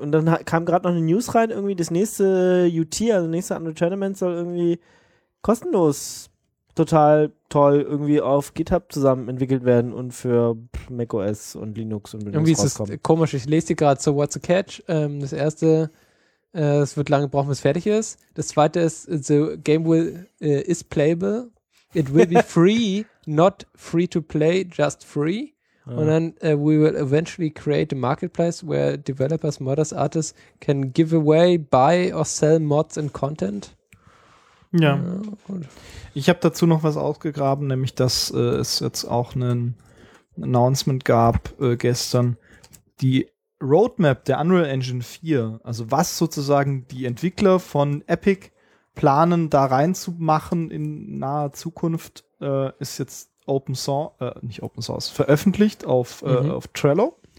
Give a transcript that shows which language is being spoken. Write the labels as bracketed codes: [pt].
[de] Und dann kam gerade noch eine News rein, irgendwie das nächste UT, also nächste Unreal Tournament soll irgendwie kostenlos total toll irgendwie auf GitHub zusammen entwickelt werden und für macOS und Linux und Windows irgendwie rauskommen. Ist es komisch, ich lese dir gerade so [en] What's a Catch. [de] Das erste, es wird lange brauchen, bis fertig ist. Das zweite ist, [en] the game will is playable. It will be free, not free to play, just free. Ja. [de] Und dann, [en] we will eventually create a marketplace where developers, modders, artists can give away, buy or sell mods and content. [de] Ja, ich habe dazu noch was ausgegraben, nämlich dass es jetzt auch ein Announcement gab gestern. Die Roadmap der Unreal Engine 4, also was sozusagen die Entwickler von Epic planen, da reinzumachen in naher Zukunft, ist jetzt veröffentlicht auf Trello.